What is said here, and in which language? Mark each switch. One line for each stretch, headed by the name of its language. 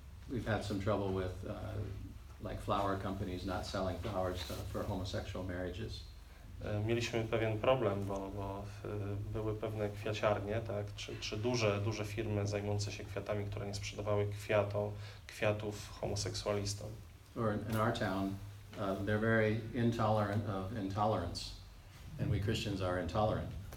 English: We've had some trouble with like flower companies not selling flowers for homosexual marriages.
Polish: Mieliśmy pewien problem, bo były pewne kwiaciarnie, tak, czy duże firmy zajmujące się kwiatami, które nie sprzedawały kwiatów homoseksualistom.
English: Or in our town, they're very intolerant of intolerance, and we Christians are intolerant.